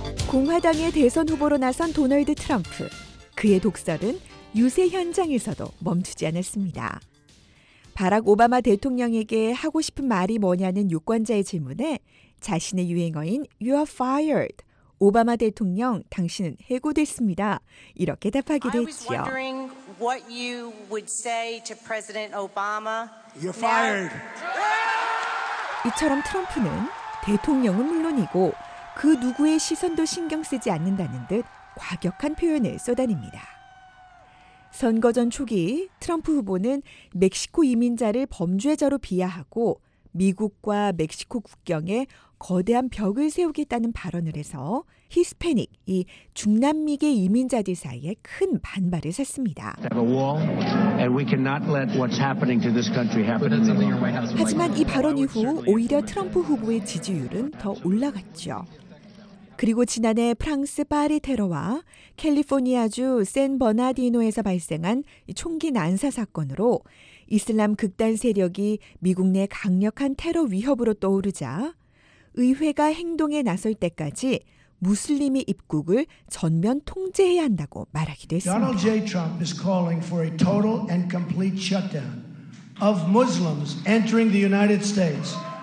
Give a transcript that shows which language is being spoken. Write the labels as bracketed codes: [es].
[ko] 공화당의 대선 후보로 나선 도널드 트럼프. 그의 독설은 유세 현장에서도 멈추지 않았습니다. 바락 오바마 대통령에게 하고 싶은 말이 뭐냐는 유권자의 질문에 자신의 유행어인 [en] You are fired. [ko] 오바마 대통령, 당신은 해고됐습니다. 이렇게 답하기도 했지요. [en] I was wondering what you would say to President Obama. You're fired. [ko] 이처럼 트럼프는 대통령은 물론이고 그 누구의 시선도 신경 쓰지 않는다는 듯 과격한 표현을 쏟아냅니다. 선거 전 초기 트럼프 후보는 멕시코 이민자를 범죄자로 비하하고 미국과 멕시코 국경에 거대한 벽을 세우겠다는 발언을 해서 히스패닉, 이 중남미계 이민자들 사이에 큰 반발을 샀습니다. 하지만 이 발언 이후 오히려 트럼프 후보의 지지율은 더 올라갔죠. 그리고 지난해 프랑스 파리 테러와 캘리포니아주 샌버나디노에서 발생한 총기 난사 사건으로 이슬람 극단 세력이 미국 내 강력한 테러 위협으로 떠오르자 의회가 행동에 나설 때까지 무슬림의 입국을 전면 통제해야 한다고 말하기도 했습니다. [en] Donald J. Trump is calling for a total and complete shutdown of Muslims entering the United States.